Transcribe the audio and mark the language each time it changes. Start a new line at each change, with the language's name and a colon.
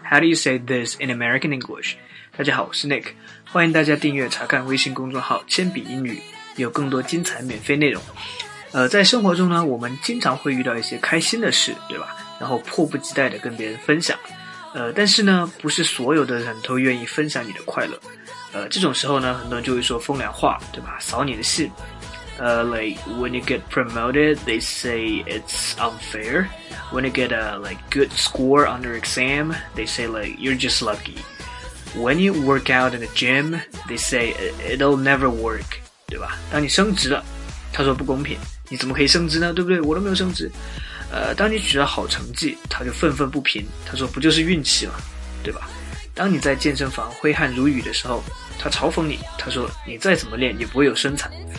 English: How do you say this in American English?
Chinese: 大家好，我是 Nick. 欢迎大家订阅查看微信公众号铅笔英语，有更多精彩免费内容。在生活中呢，我们经常会遇到一些开心的事，对吧？然后迫不及待地跟别人分享。但是呢，不是所有的人都愿意分享你的快乐。这种时候呢，很多人就会说风凉话，对吧？扫你的兴。
English: Like when you get promoted, they say it's unfair. When you get a like good score on your exam, they say like you're just lucky. When you work out in the gym, they say it'll never work,
Chinese: 对吧？当你升职了，他说不公平，你怎么可以升职呢？对不对？我都没有升职。当你取得好成绩，他就愤愤不平，他说不就是运气吗？对吧？当你在健身房挥汗如雨的时候，他嘲讽你，他说你再怎么练也不会有身材。